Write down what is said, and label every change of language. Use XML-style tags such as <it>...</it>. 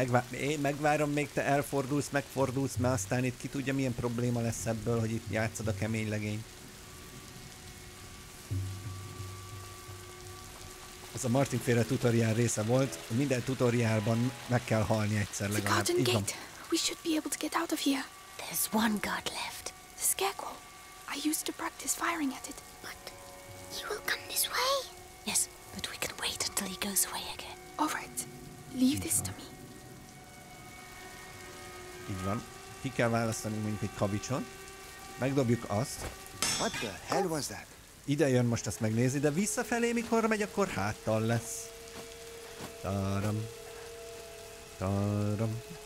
<hu>Én megvárom, még te elfordulsz, megfordulsz, mert aztán itt ki tudja, milyen probléma lesz ebből, hogy itt játszod a kemény legényt. Ez a Martin féle tutoriál része volt. Minden tutoriálban meg kell halni egyszer legalább.</hu> <en>The garden gate. We should be able to get out of here. There's one guard left. The scarecrow. I used to practice firing at it. But he will come this way. Yes, but we can wait until he goes away again. All right. Leave this to me.</en> <hu>Így van. Ki kell választani mondjuk egy kavicson. Megdobjuk azt.</hu> <en>What the hell was that?</en> <hu>Ide jön most ezt megnézni, de visszafelé, mikor megy, akkor háttal lesz. Ta-dam. Ta-dam.</hu>